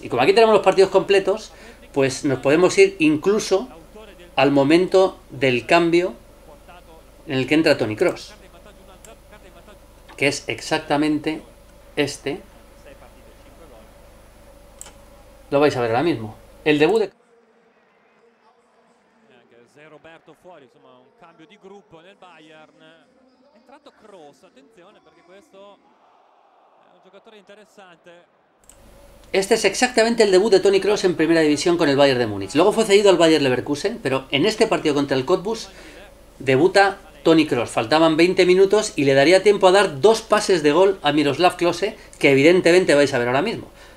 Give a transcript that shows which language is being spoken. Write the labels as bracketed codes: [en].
[es] Y como aquí tenemos los partidos completos, pues nos podemos ir incluso al momento del cambio en el que entra Toni Kroos, que es exactamente este. Lo vais a ver ahora mismo. El debut de... [it] Roberto fuori, insomma, un cambio di gruppo nel Bayern. È entrato Kroos, attenzione perché questo è un giocatore interessante. [es] Este es exactamente el debut de Toni Kroos en primera división con el Bayern de Múnich. Luego fue cedido al Bayer Leverkusen, pero en este partido contra el Cottbus debuta Toni Kroos. Faltaban 20 minutos y le daría tiempo a dar dos pases de gol a Miroslav Klose, que evidentemente vais a ver ahora mismo.